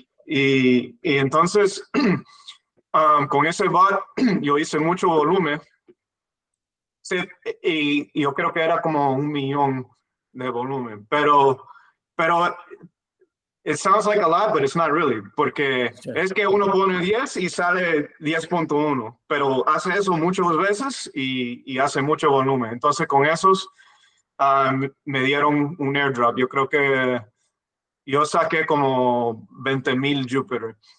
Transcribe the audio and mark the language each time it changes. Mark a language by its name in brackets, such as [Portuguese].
[Spanish] Y entonces, con ese bot, yo hice mucho volumen. Sí, y yo creo que era como 1 millón de volumen. Pero, [English] it sounds like a lot, but it's not really. [Spanish] Porque es que uno pone 10 y sale 10.1. Pero hace eso muchas veces y hace mucho volumen. Entonces, con esos, me dieron un airdrop. Yo creo que yo saqué como 20 mil Jupyter.